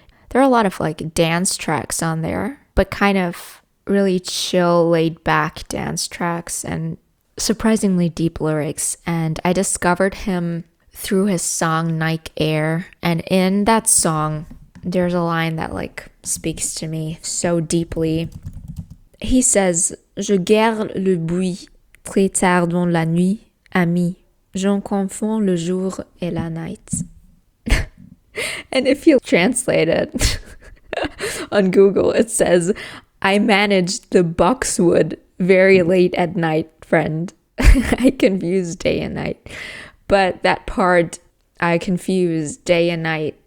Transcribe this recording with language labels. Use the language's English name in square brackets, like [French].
[English] There are a lot of like dance tracks on there, but kind of really chill, laid-back dance tracks and surprisingly deep lyrics. And I discovered him through his song Nike Air. And in that song, there's a line that like speaks to me so deeply. [French] He says, "Je garde le bruit très tard dans la nuit, ami. J'en confonds le jour et la night." [English] And if you translate it on Google, it says, "I manage the boxwood very late at night, friend." I confuse day and night. But that part, I confuse day and night.